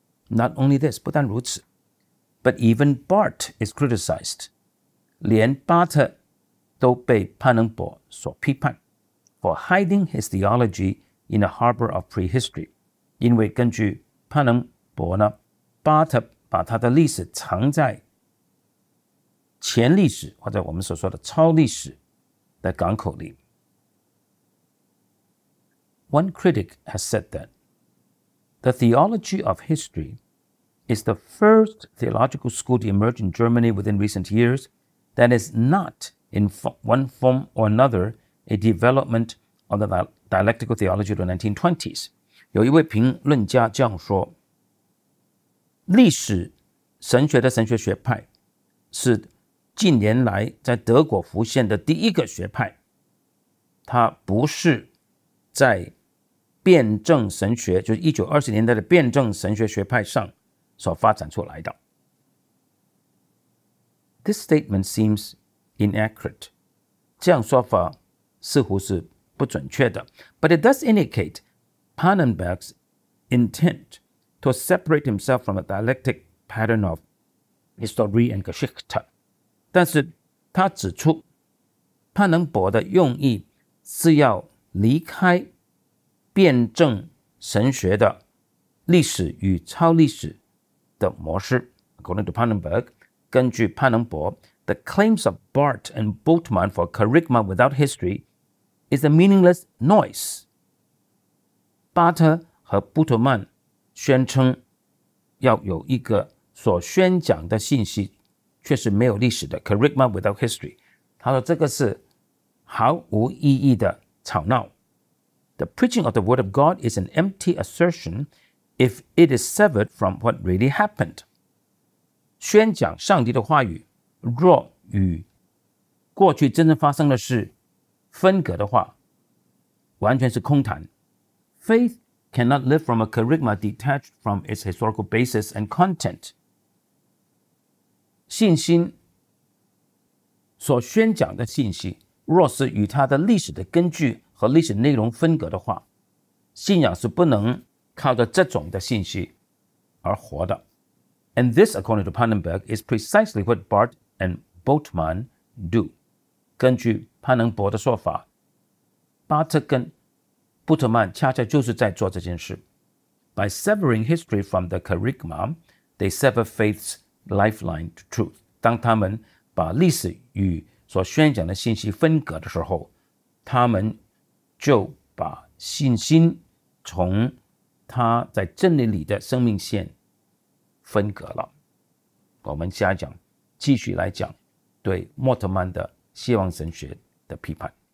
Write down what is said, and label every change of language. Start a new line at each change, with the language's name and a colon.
English: Not only this，
Chinese: 不但如此，
English: But even Barth is criticized，
Chinese: 连巴特都被潘能博所批判
English: For hiding his theology in a harbor of prehistory，
Chinese: 因为根据潘能博呢，巴特把它的历史藏在前历史或者我们所说的超历史的港口里。
English: One critic has said that the theology of history is the first theological school to emerge in Germany within recent years that is not in one form or another a development of the dialectical theology of the 1920s.
Chinese: 有一位评论家这样说，历史神学的神学学派是近年来在德国浮现的第一个学派，它不是在辩证神学，就是1920年代的辩证神学学派上所发展出来的。
English: This statement seems inaccurate.
Chinese: 这样说法似乎是不准确的。
English: But it does indicate Pannenberg's intent to separate himself from a dialectic pattern of history and Geschichte.
Chinese: 但是他指出，潘能博的用意是要离开辩证神学的历史与超历史的模式。
English: According to Pannenberg,
Chinese: 根据潘能博
English: the claims of Barth and Bultmann for kerygma without history is a meaningless noise.
Chinese: 巴特和布特曼宣称要有一个所宣讲的信息却是没有历史的
English: kerygma without history.
Chinese: 他说这个是毫无意义的吵闹。
English: The preaching of the word of God is an empty assertion if it is severed from what really happened.
Chinese: 宣讲上帝的话语若与过去真正发生的事分隔的话完全是空谈。
English: Faith cannot live from a kerygma detached from its historical basis and content.
Chinese: 信心所宣讲的信息若是与它的历史的根据和历史内容分隔的话，信仰是不能靠着这种的信息而活的。
English: And this, according to Pannenberg, is precisely what Barth and Bultmann do.
Chinese: 根据潘能博的说法，巴特跟布特曼恰恰就是在做这件事。
English: By severing history from the kerygma, they sever faith's lifeline to truth.
Chinese: 当他们把历史与所宣讲的信息分隔的时候，他们就把信心从他在真理里的生命线分隔了。我们下一讲继续来讲对莫特曼的希望神学的批判。